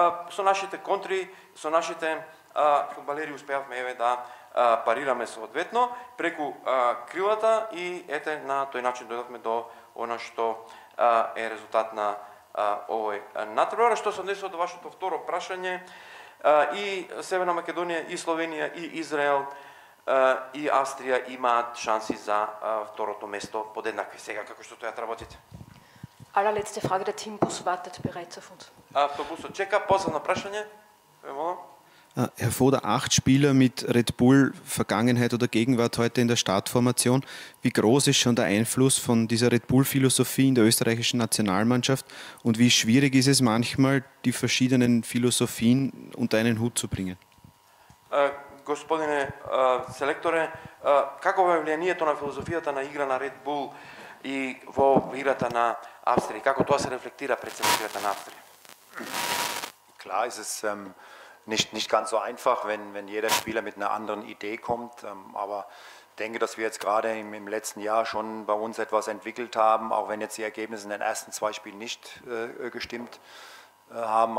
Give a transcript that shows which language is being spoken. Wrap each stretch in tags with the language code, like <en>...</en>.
<mk>Со нашите контри, со нашите фудбалери успеавме еве да парираме соодветно преку крилата и ете на тој начин дојдовме до она што е резултат на овој натпревар. Што се однесува до вашето второ прашање, и Северна Македонија, и Словенија, и Израел, и Австрија имаат шанси за второто место подеднакви. Сега, како што тојат работите?</mk> <de>Allerletzte Frage, der Teambus wartet bereits auf uns.</de> <mk>Автобус чека, последно прашање.</mk> <de>Herr Foda, 8 Spieler mit Red Bull Vergangenheit oder Gegenwart heute in der Startformation. Wie groß ist schon der Einfluss von dieser Red Bull Philosophie in der österreichischen Nationalmannschaft und wie schwierig ist es manchmal, die verschiedenen Philosophien unter einen Hut zu bringen?</de> <mk>Господине селекторе, како е влијанието на филозофијата на игра на Red Bull и во играта на Австрија? Како тоа се рефлектира пред играта на Австрија?</mk> <de>Klar, es ist nicht ganz so einfach, wenn jeder Spieler mit einer anderen Idee kommt. Aber ich denke, dass wir jetzt gerade im letzten Jahr schon bei uns etwas entwickelt haben, auch wenn jetzt die Ergebnisse in den ersten zwei Spielen nicht gestimmt haben.</de>